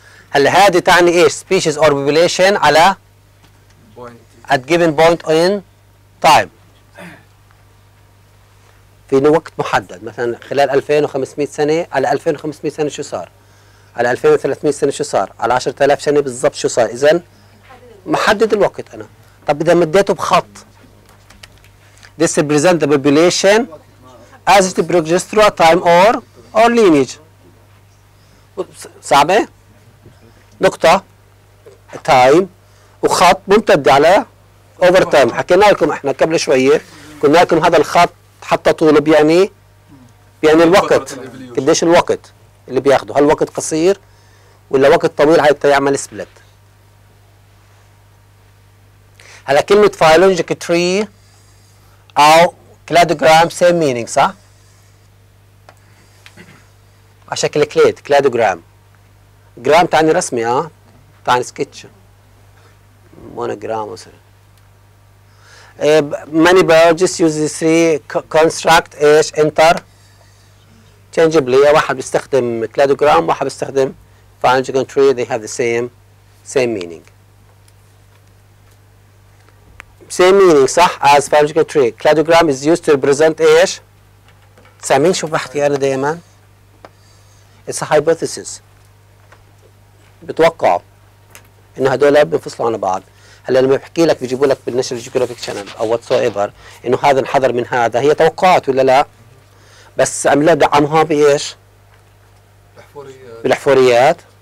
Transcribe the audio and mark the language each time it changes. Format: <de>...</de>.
<ar>هلا هذه تعني ايش؟</ar> <en>species or population</en> <ar>على</ar> <en>at given point in time،</en> <ar>في وقت محدد، مثلا خلال 2500 سنة. على 2500 سنة شو صار؟ على 2300 سنة شو صار؟ على 10000 سنة بالضبط شو صار؟ إذا محدد الوقت أنا. طب إذا مديته بخط</ar> <en>this represent the population as it progresses through a time or lineage.</en> <ar>صعبة؟ نقطة تايم وخط ممتد على اوفر تايم. حكينا لكم احنا قبل شوية، قلنا لكم هذا الخط حتى طوله بيعني الوقت، قديش الوقت اللي بياخده، هل وقت قصير ولا وقت طويل حتى يعمل سبلت. هلا كلمة</ar> <en>phylogenetic tree أو cladogram same meaning صح؟ على شكل كليد cladogram.</en> <ar>جرام تعني رسمي ها؟ تعني سكتش. مونوجرام مثلا.</ar> <en>Many biologists use these three construct ايش؟ interchangeably.</en> <ar>واحد بيستخدم cladogram واحد بيستخدم phylogenetic tree.</ar> <en>They have the same meaning. Same meaning صح as phylogenetic tree. Cladogram is used to represent</en> <ar>ايش؟ سامين شوف بحكي انا دائما.</ar> <en>It's a hypothesis.</en> <ar>بتوقع انه هدول بينفصلوا عن بعض. هلا لما بحكي لك بيجيبوا لك بالناشونال جيوغرافيك شانل او واتسو ايفر انه هذا انحذر من هذا، هي توقعات ولا لا؟ بس عم لها دعمها بايش؟ بالحفوريات.</ar>